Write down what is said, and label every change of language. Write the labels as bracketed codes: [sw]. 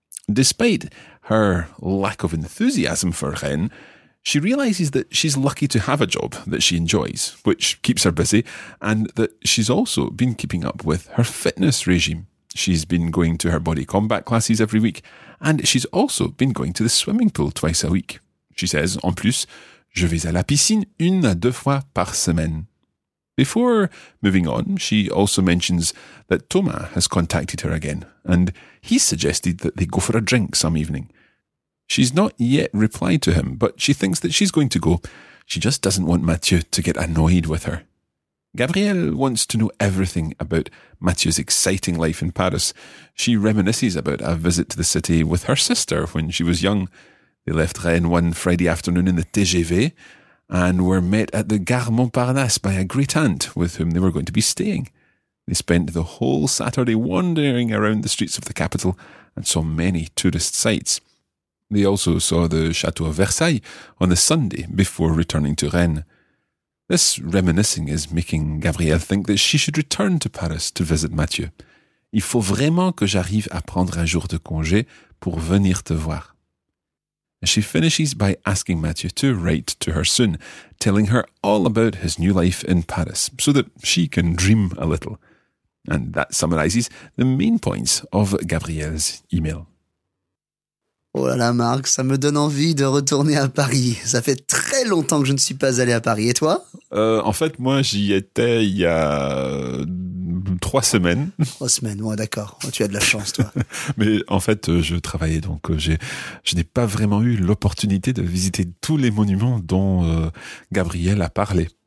[en] Despite her lack of enthusiasm for Rennes, she realises that she's lucky to have a job that she enjoys, which keeps her busy, and that she's also been keeping up with her fitness regime. She's been going to her body combat classes every week, and she's also been going to the swimming pool twice a week. She says, [fr] en plus, je vais à la piscine une à deux fois par semaine. [en] Before moving on, she also mentions that Thomas has contacted her again, and he suggested that they go for a drink some evening. She's not yet replied to him, but she thinks that she's going to go. She just doesn't want Mathieu to get annoyed with her. Gabrielle wants to know everything about Mathieu's exciting life in Paris. She reminisces about a visit to the city with her sister when she was young. They left Rennes one Friday afternoon in the TGV and were met at the Gare Montparnasse by a great aunt with whom they were going to be staying. They spent the whole Saturday wandering around the streets of the capital and saw many tourist sights. They also saw the Chateau of Versailles on the Sunday before returning to Rennes. This reminiscing is making Gabrielle think that she should return to Paris to visit Mathieu. [fr] Il faut vraiment que j'arrive à prendre un jour de congé pour venir te voir. [en] She finishes by asking Mathieu to write to her soon, telling her all about his new life in Paris so that she can dream a little. And that summarizes the main points of Gabrielle's email. [fr] Oh là là, Marc, ça me donne envie de retourner à Paris. Ça fait très longtemps que je ne suis pas allé à Paris. Et toi? En fait, moi, j'y étais il y a 3 semaines. 3 semaines, ouais, d'accord. Tu as de la chance, toi. Mais en fait, je travaillais, donc je n'ai pas vraiment eu l'opportunité de visiter tous les monuments dont Gabrielle a parlé.